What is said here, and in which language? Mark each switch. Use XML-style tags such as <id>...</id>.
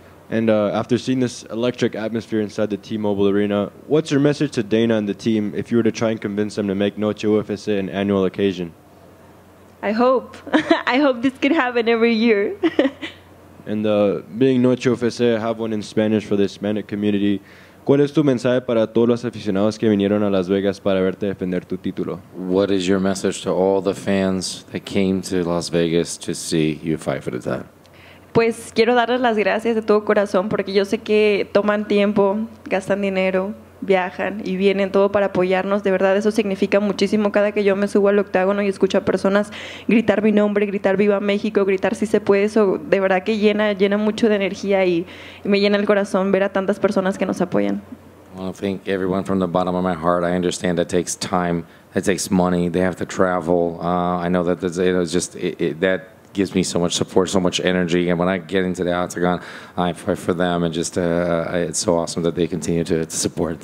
<en>And after seeing this electric atmosphere inside the T-Mobile Arena, what's your message to Dana and the team if you were to try and convince them to make Noche UFC an annual occasion? I hope. I hope this could happen every year. And being Noche UFC, I have one in Spanish for the Hispanic community.</en> <es>¿Cuál es tu mensaje para todos los aficionados que vinieron a Las Vegas para verte defender tu título?</es> <en>What is your message to all the fans that came to Las Vegas to see you fight for the title?</en> <es>Pues quiero darles las gracias de todo corazón porque yo sé que toman tiempo, gastan dinero, viajan y vienen todo para apoyarnos. De verdad, eso significa muchísimo cada que yo me subo al octágono y escucho a personas gritar mi nombre, gritar Viva México, gritar Si Se Puede. Eso de verdad que llena mucho de energía y me llena el corazón ver a tantas personas que nos apoyan.</es> <en>Well, thank everyone from the bottom of my heart. I understand that takes time, that takes money, they have to travel. I know that it was just that gives me so much support, so much energy, and when I get into the octagon, I fight for them, and just it's so awesome that they continue to support.</en>